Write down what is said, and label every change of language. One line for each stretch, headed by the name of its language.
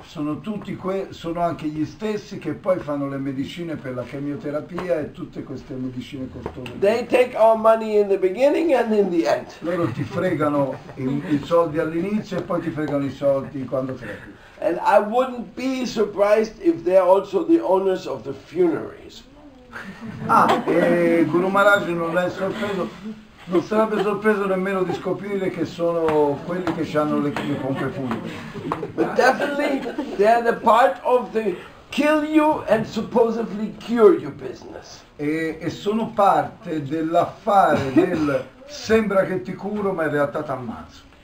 Italian: Sono anche gli stessi che poi fanno le medicine per la chemioterapia e tutte queste medicine costose.
English: They take our money in the beginning and in the end.
Italian: Loro ti fregano i soldi all'inizio e poi ti fregano i soldi quando crepi.
English: And I wouldn't be surprised if they're also the owners of the funerals.
Italian: Ah, e Guru Maharaj non sarebbe sorpreso nemmeno di scoprire che sono quelli che hanno le pompe funebri.
English: But definitely they are the part of the kill you and supposedly cure you business.
Italian: E sono parte dell'affare del sembra che ti curo ma in realtà ti ammazzo.